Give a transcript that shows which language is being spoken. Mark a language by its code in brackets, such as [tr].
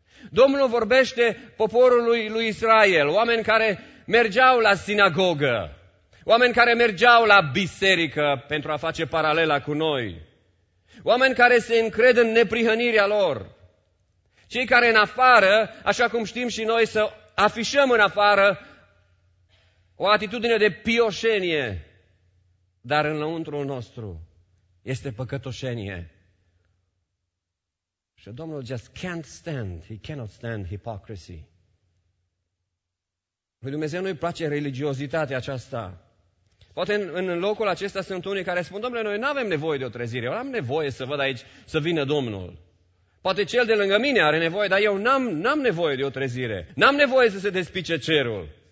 [ro] Domnul vorbește poporului lui Israel, oameni care mergeau la sinagogă, oameni care mergeau la biserică pentru a face paralela cu noi, oameni care se încred în neprihănirea lor, cei care în afară, așa cum știm și noi, să afișăm în afară o atitudine de pioșenie. Dar înăuntrul nostru este păcătoșenie. Și Domnul [en] just can't stand, he cannot stand hypocrisy. [ro] Lui Dumnezeu nu-i place religiozitatea aceasta. Poate în locul acesta sunt unii care spun, Domnule, noi n-avem nevoie de o trezire, eu am nevoie să văd aici să vină Domnul. Poate cel de lângă mine are nevoie, dar eu n-am nevoie de o trezire, n-am nevoie să se despice cerul.